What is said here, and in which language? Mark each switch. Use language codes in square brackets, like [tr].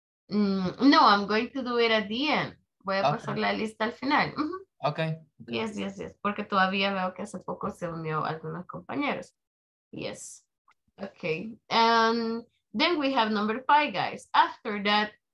[en] No, I'm going to do it at the end. [es] Voy a pasar la lista al final. [en] Okay. Yes, yes, yes. [es] Porque todavía veo que hace poco se unió algunos compañeros. [en] Yes. Okay. Then we have number 5, guys. After that,